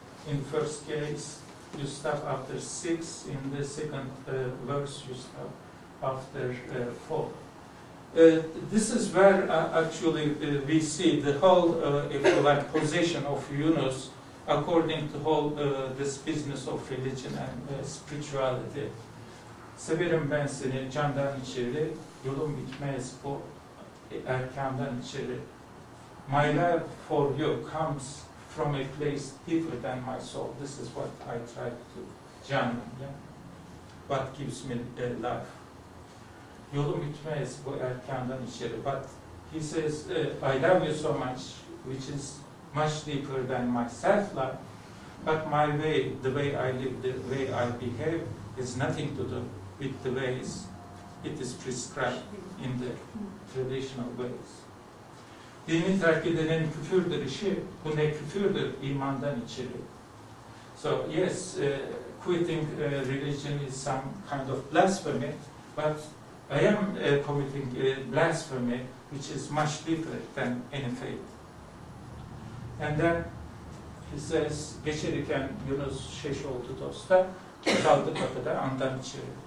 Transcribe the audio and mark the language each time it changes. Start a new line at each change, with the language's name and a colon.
English: In first case, you stop after six. In the second verse, you stop after four. This is where actually we see the whole, if you like, position of Yunus according to whole this business of religion and spirituality.
Turkish: Severim ben seni candan içeri, yolum bitmez bu erkandan içeri.
English: My love for you comes from a place deeper than my soul. This is what I try to channel. Yeah? What gives me life?
Turkish: Yolum bitmez bu erkandan içeri.
English: But he says, I love you so much, which is much deeper than my self-love. But my way, the way I live, the way I behave, is nothing to do with the ways it is prescribed in the traditional ways.
Turkish: Dini terk edenin küfürdür işi, bu ne küfürdür imandan içeri.
English: So yes, quitting religion is some kind of blasphemy, but I am committing blasphemy, which is much deeper than any faith. And then he says,
Turkish: geçerken Yunus şeş oldu dosta, kaldı kapıda andan içeri.